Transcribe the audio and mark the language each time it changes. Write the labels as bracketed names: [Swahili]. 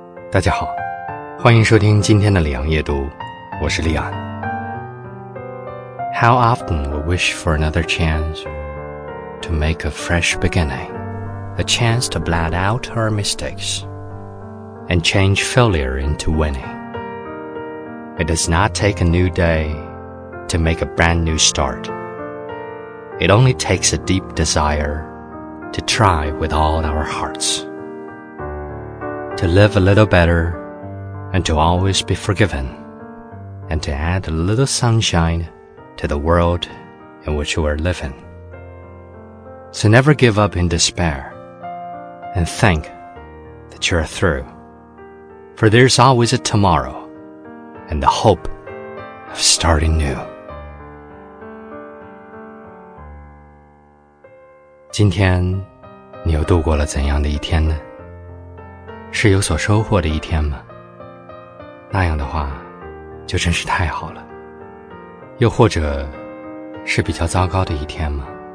[Chinese] 大家好，欢迎收听今天的里昂夜读，我是里昂。 [English] How often we wish for another chance to make a fresh beginning, a chance to blot out our mistakes and change failure into winning. It does not take a new day to make a brand new start. It only takes a deep desire to try with all our hearts. To live a little better, and to always be forgiven, and to add a little sunshine to the world in which we are living. So never give up in despair, and think that you are through. For there's always a tomorrow, and the hope of starting new. [Chinese] 今天，你又度过了怎样的一天呢？是有所收获的一天吗？那样的话就真是太好了。又或者是比较糟糕的一天吗？